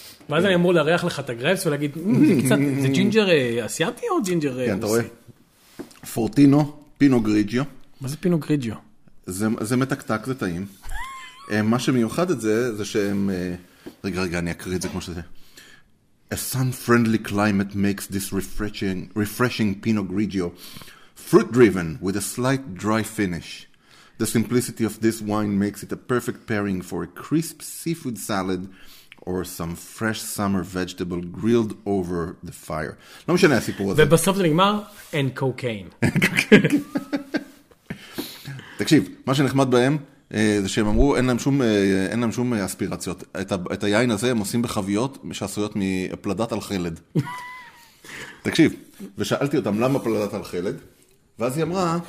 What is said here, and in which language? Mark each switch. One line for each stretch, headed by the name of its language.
Hebrew: ואז אני אמור להריח לך את הגרפס ולהגיד, זה ג'ינג'ר אסיאתי או ג'ינג'ר רוסי? כן, אתה רואה. פורטינו, פינו גריג'יו. מה זה פינו גריג'יו? זה מתקתק, זה טעים. מה שמיוחד את זה, זה שהם... רגע, אני אקריא את זה כמו שזה.
English: A sun-friendly climate makes this refreshing Pinot Grigio fruit-driven with a slight dry finish. The simplicity of this wine makes it a perfect pairing for a crisp seafood salad or some fresh summer vegetable grilled over the fire.
Hebrew: לא משנה הסיפור הזה. ובסוף זה נגמר,
English: and cocaine.
Hebrew: תקשיב, מה שנחמד בהם, זה שהם אמרו, אין להם שום אספירציות. את היין הזה הם עושים בחוויות שעשויות מפלדת על חלד. תקשיב, ושאלתי אותם למה פלדת על חלד, ואז היא אמרה...